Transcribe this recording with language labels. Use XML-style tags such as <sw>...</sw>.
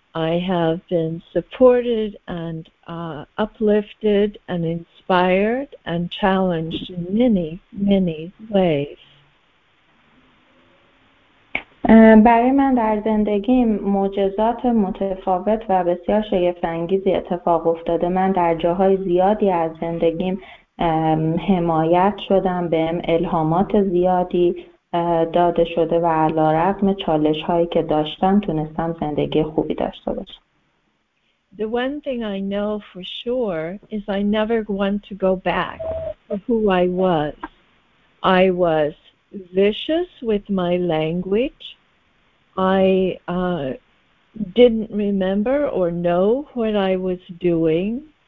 <en>I have been supported and uplifted and inspired and challenged in many, many ways.</en> <fa>برای من در زندگیم معجزات متفاوت و بسیار شگفت‌انگیزی اتفاق افتاده. من در جاهای زیادی از زندگیم حمایت شدم، بهم الهامات زیادی داده شده و علی‌رغم چالش هایی که داشتم تونستم زندگی خوبی داشته باشم.</fa> <en>The one thing I know for sure is I never want to go back to who I was. I was vicious with my language. I didn't remember or know what I was doing.</en>